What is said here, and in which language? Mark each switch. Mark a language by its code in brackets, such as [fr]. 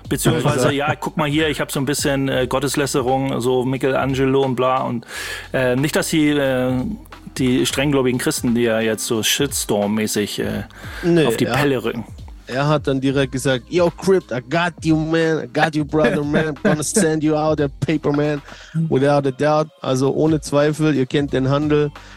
[de] Beziehungsweise, ja, guck mal hier, ich habe so ein bisschen Gotteslästerung, so Michelangelo und bla. Und nicht, dass sie die strenggläubigen Christen, die ja jetzt so Shitstorm-mäßig auf die Pelle rücken. Er hat dann direkt gesagt, yo, Crypt, [en] I got you, man. I got you, brother, man. I'm gonna send you out a paper, man. Without a doubt. [de] Also ohne Zweifel, ihr kennt den Handel.